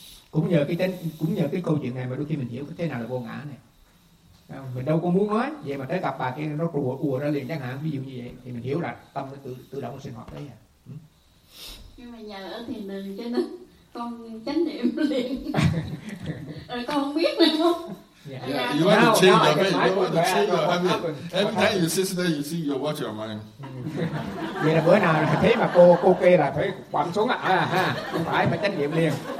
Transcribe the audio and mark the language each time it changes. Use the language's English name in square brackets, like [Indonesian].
[Vietnamese] Cũng nhờ cái câu chuyện này mà đôi khi mình hiểu cái thế nào là vô ngã này. Mình đâu có muốn nói vậy mà tới gặp bà kia nó ùa ra liền chẳng hạn, ví dụ như vậy thì mình hiểu là tâm nó tự động sinh hoạt đấy. Nhưng mà nhờ ở thiền đường cho nên con chánh niệm liền. Rồi con không biết nữa không? [English] Yeah. You want to change your habit. You want to change your habit. Every time you sit there, you see, you watch your mind. [Vietnamese] Vậy là bữa nào thấy mà cô kê là phải quặn xuống ha, không phải phải trách nhiệm liền.